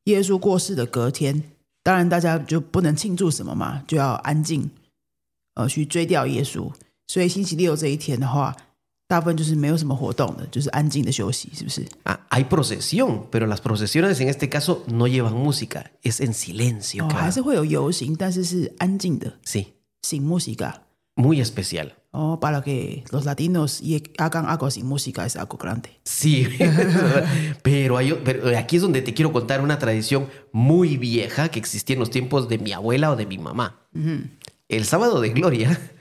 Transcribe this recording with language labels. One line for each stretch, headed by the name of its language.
Chinese: 然后星期六就是耶稣过世的隔天, 当然大家就不能庆祝什么嘛, 就要安静, 去追悼耶稣。所以星期六这一天的话, 大部分就是没有什么活动的, 就是安静的休息, 是不是?
Spanish: Hay procesión, pero las procesiones en este caso no llevan música, es en silencio.
Chinese: Oh, 还是会有游行, 但是是安静的,
Spanish: sí. Sin música. Muy especial. Oh, para que los latinos hagan algo sin música es algo grande. Sí, pero aquí es donde te quiero contar una tradición muy vieja que existía en los tiempos de mi abuela o de mi mamá. El sábado de gloria,